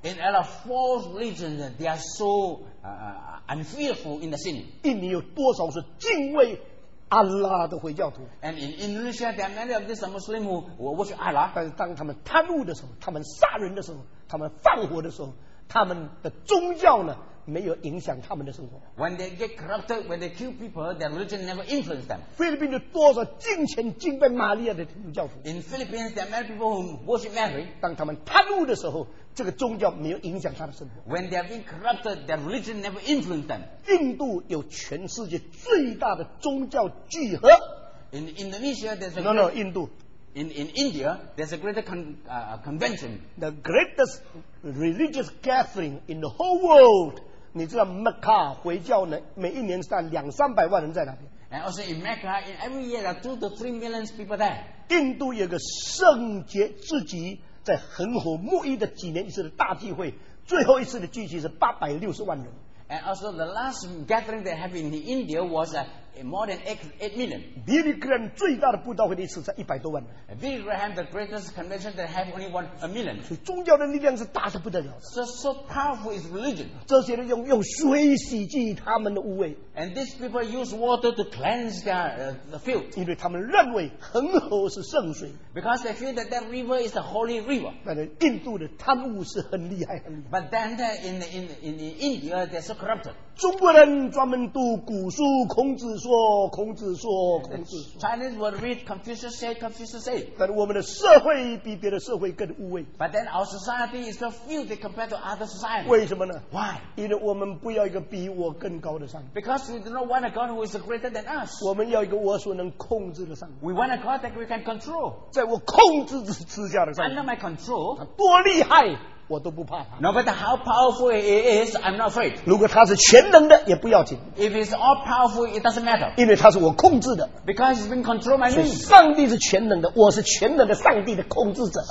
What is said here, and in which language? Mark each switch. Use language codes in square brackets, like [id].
[en] In a lot of false religions, they are so unfearful in the sin. [zh] 印尼有多少是敬畏阿拉的回教徒？ [en] And in Indonesia, there are many of these Muslims who worship Allah. [zh] 但是当他们贪污的时候，他们杀人的时候，他们放火的时候，他们的宗教呢，没有影响他们的生活。 [en] When they get corrupted, when they kill people, their religion never influenced them. [zh] 菲律宾有多少敬虔敬拜玛利亚的教徒？ [en] In Philippines, there are many people who worship Mary. [zh] 当他们贪污的时候，这个宗教没有影响他的生活。 [en] When they have been corrupted, their religion never influenced them. [zh] 印度有全世界最大的宗教聚合。 [en] In Indonesia, there's a no no [zh] 印度。 [en] In India, there's a greater convention. The greatest religious gathering in the whole world. [zh] 你知道 Mecca 回教呢，每一年在两三百万人在那边。 [en] And also in Mecca, in every year there are 2 to 3 million people there. [zh] 印度有个圣洁自己。在恒河沐浴的几年一次的大聚会，最后一次的聚集是860万人。 [en] And also the last gathering that happened in India was more than 8 million. [zh] Billy Graham 最大的布道会的一次才100多万人。 [en] Billy Graham the greatest convention that have only 1 million. [zh] 所以宗教的力量是大得不得了。 [en] So powerful is religion. [zh] 这些人用水洗净他们的污秽。 [en] And these people use water to cleanse their the field. [zh] 因为他们认为恒河是圣水。 [en] Because they feel that river is a holy river. [zh] 但是印度的贪污是很厉害很厉害。 [en] But then in India there's so corrupted. [zh] 中国人专门读古书，孔子说，孔子说，孔子说。 [en] Chinese will read Confucius say, Confucius say. [zh] 但我们的社会比别的社会更污秽。 [en] But then our society is so filthy compared to other society. [zh] 为什么呢？ [en] Why? [zh] 因为我们不要一个比我更高的上帝。 [en] Because we do not want a God who is greater than us. [zh] 我们要一个我所能控制的上帝。 [en] We want a God that we can control. [zh] 在我控制之下的上帝。 [en] Under my control. [zh] 他多厉害！我都不怕他。 [en] No matter how powerful he is, I'm not afraid. [zh] 如果他是全能的，也不要紧。 [en] If he's all powerful, it doesn't matter. [zh] 因为他是我控制的。 [en] Because he's been controlled by me. [zh] 上帝是全能的，我是全能的上帝的控制者。